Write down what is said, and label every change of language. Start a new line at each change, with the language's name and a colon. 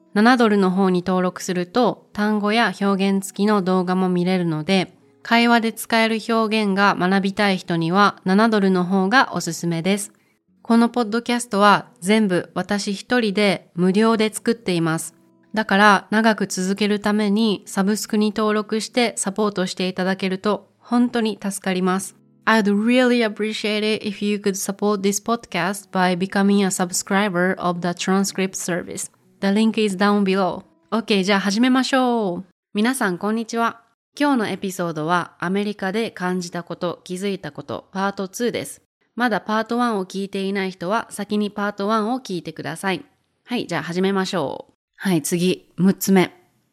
Japanese: 7ドルの方に登録すると単語や表現付きの動画も見れるので、会話で使える表現が学びたい人には7ドルの方がおすすめです。このポッドキャストは全部私一人で無料で作っています。だから長く続けるためにサブスクに登録してサポートしていただけると本当に助かります。
English: I'd really appreciate it if you could support this podcast by becoming a subscriber of the transcript service. The link is down below.
Japanese: OK, じゃあ始めましょう。皆さんこんにちは。今日のエピソードはアメリカで感じたこと、気づいたこと、パート2です。まだパート1を聞いていない人は先にパート1を聞いてください。はい、じゃあ始めましょう。はい、次、6つ目。